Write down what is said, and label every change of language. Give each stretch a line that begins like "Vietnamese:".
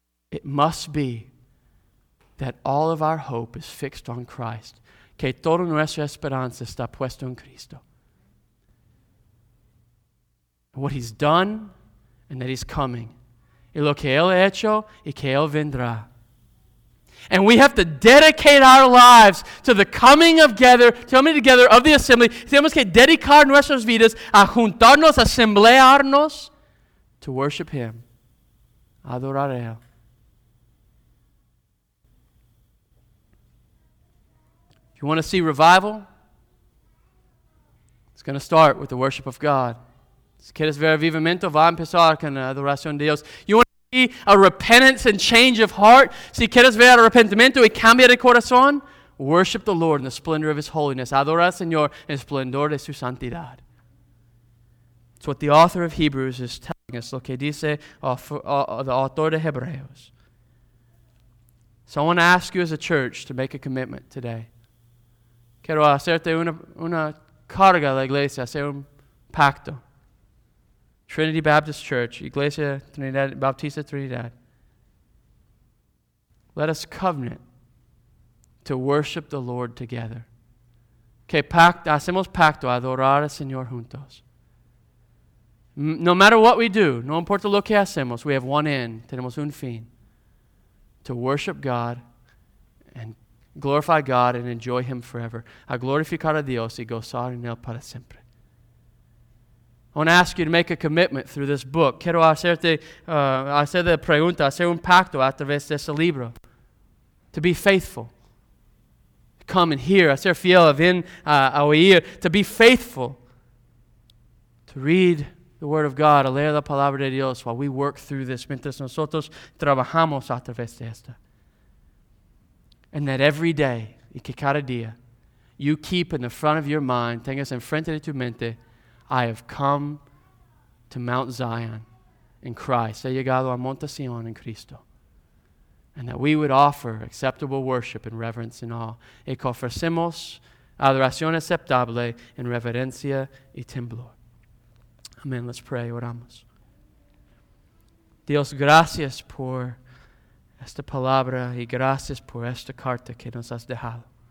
English: It must be that all of our hope is fixed on Christ.
Spanish: Que toda nuestra esperanza está puesta en Cristo. What he's done and that he's coming. Y lo que él ha hecho y que él vendrá.
English: And we have to dedicate our lives to the coming together of the assembly.
Spanish: Tenemos que dedicar nuestras vidas a juntarnos, asemblearnos,
English: to worship him,
Spanish: adorar a él.
English: If you want to see revival, it's going to start with the worship of God.
Spanish: Si quieres ver avivamiento, va a empezar con la adoración de Dios.
English: You want to see a repentance and change of heart?
Spanish: Si quieres ver arrepentimiento y cambio de corazón,
English: worship the Lord in the splendor of his holiness.
Spanish: Adora al Señor en el esplendor de su santidad.
English: It's what the author of Hebrews is telling us.
Spanish: Lo que dice the autor de Hebreos.
English: So I want to ask you as a church to make a commitment today.
Spanish: Quiero hacerte una carga a la iglesia, hacer un pacto. Trinity Baptist Church, Iglesia Trinidad, Bautista Trinidad.
English: Let us covenant to worship the Lord together.
Spanish: Que pacto, hacemos pacto a adorar al Señor juntos.
English: No matter what we do,
Spanish: no importa lo que hacemos,
English: we have one end,
Spanish: tenemos un fin.
English: To worship God and glorify God and enjoy him forever.
Spanish: A glorificar a Dios y gozar en él para siempre.
English: I want to ask you to make a commitment through this book.
Spanish: Quiero hacerte, hacer la pregunta, hacer un pacto a través de este libro.
English: To be faithful. Come and hear,
Spanish: hacer fiel, ven a oír.
English: To be faithful.
Spanish: To read the Word of God, a leer la Palabra de Dios
English: while we work through this,
Spanish: mientras nosotros trabajamos a través de esta.
English: And that every day,
Spanish: y que cada día,
English: you keep in the front of your mind,
Spanish: tengas en frente de tu mente,
English: I have come to Mount Zion in Christ.
Spanish: He llegado a Monte Sion en Cristo.
English: And that we would offer acceptable worship in reverence and awe.
Spanish: Y que ofrecemos adoración aceptable en reverencia y temblor. Amen.
English: Let's pray.
Spanish: Oramos. Dios, gracias por esta palabra y gracias por esta carta que nos has dejado.